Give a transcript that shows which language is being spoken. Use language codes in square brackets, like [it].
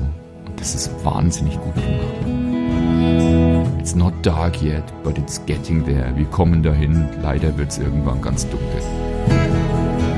[de] Und das ist wahnsinnig gut gemacht. [en] It's not dark yet, but it's getting there. [de] Wir kommen dahin. Leider wird's irgendwann ganz dunkel.